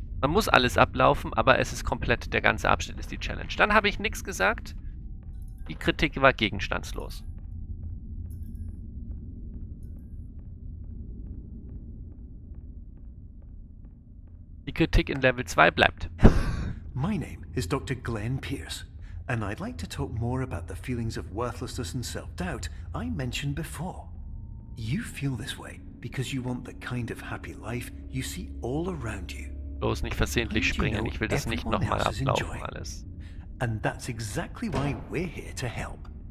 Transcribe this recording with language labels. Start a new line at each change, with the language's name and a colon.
German: Man muss alles ablaufen, aber es ist komplett, der ganze Abschnitt ist die Challenge. Dann habe ich nichts gesagt. Die Kritik war gegenstandslos. Die Kritik in Level 2 bleibt.
English: My name is Dr. Glenn Pierce, and I'd like to talk more about the feelings of worthlessness and self-doubt I mentioned before. You feel this way because you want the kind of happy life you see all around you.
German: Bloß nicht versehentlich springen, ich will das nicht nochmal ablaufen alles.
English: And that's exactly why we're here to help.